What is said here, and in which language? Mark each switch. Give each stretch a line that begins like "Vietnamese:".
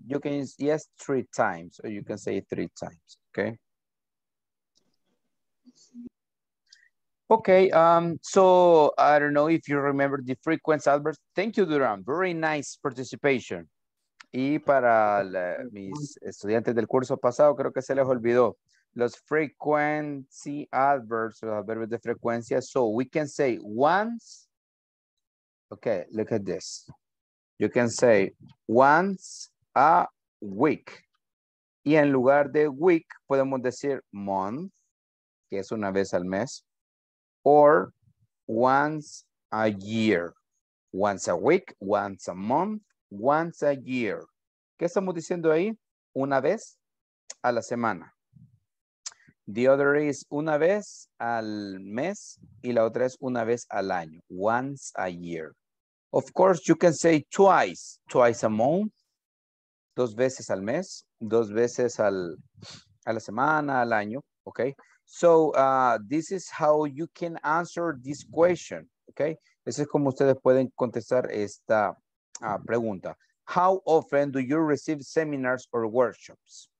English: You can use, yes, three times, or you can say three times. Okay. Okay, so I don't know if you remember the frequency adverbs. Thank you, Duran. Very nice participation.
Spanish: Y para mis estudiantes del curso pasado, creo que se les olvidó. Los frequency adverbs, los adverbios de frecuencia.
English: So we can say once. Okay, look at this. You can say once a week.
Spanish: Y en lugar de week, podemos decir month, que es una vez al mes.
English: Or once a year, once a week, once a month, once a year.
Spanish: ¿Qué estamos diciendo ahí? Una vez a la semana.
English: The other is
Spanish: una vez al mes y la otra es una vez al año.
English: Once a year. Of course, you can say twice. Twice a month.
Spanish: Dos veces al mes. Dos veces a la semana, al año. Okay.
English: So this is how you can answer this question. Okay.
Spanish: Eso es como ustedes pueden contestar esta pregunta.
English: How often do you receive seminars or workshops?